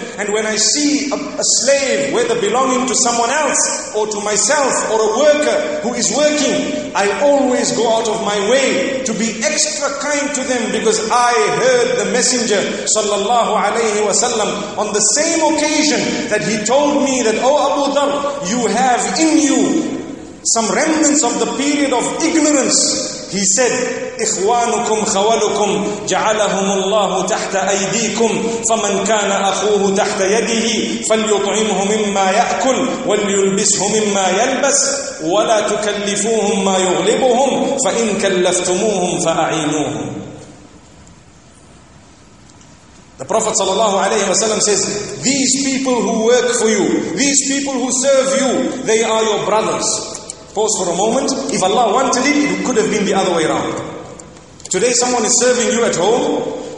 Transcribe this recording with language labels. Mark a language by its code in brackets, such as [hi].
[en] And when I see a slave, whether belonging to someone else, or to myself, or a worker who is working, I always go out of my way to be extra kind to them, because I heard the Messenger sallallahu alayhi wa sallam on the same occasion that he told me that, oh Abu Dharr, you have in you some remnants of the period of ignorance. He said, [ar] إخوانكم خوالكم جعلهم الله تحت أيديكم فمن كان أخوه تحت يده فليطعمه مما يأكل وليلبسه مما يلبس ولا تكلفوهم ما يغلبهم فإن كلفتموهم فأعينوهم. [en] The Prophet sallallahu alayhi wa sallam says, these people who work for you, these people who serve you, they are your brothers. Pause for a moment. If Allah wanted it, it could have been the other way around. Today someone is serving you at home.